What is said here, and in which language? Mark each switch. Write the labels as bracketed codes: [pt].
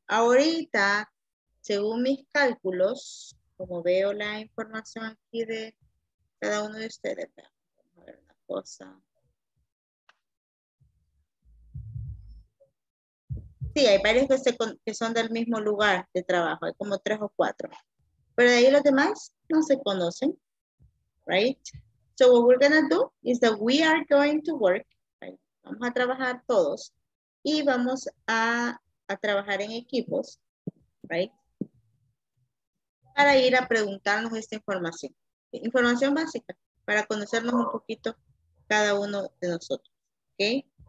[es] Ahorita, según mis cálculos, como veo la información aquí de cada uno de ustedes, vamos a ver una cosa. Sí, hay varios que son del mismo lugar de trabajo, hay como 3 o 4. Pero de ahí los demás no se conocen, right? [en] So what we're gonna do is that we are going to work, right? [es] Vamos a trabajar todos y vamos a trabajar en equipos, right? Para ir a preguntarnos esta información. Información básica. Para conocernos un poquito cada uno de nosotros. ¿Okay?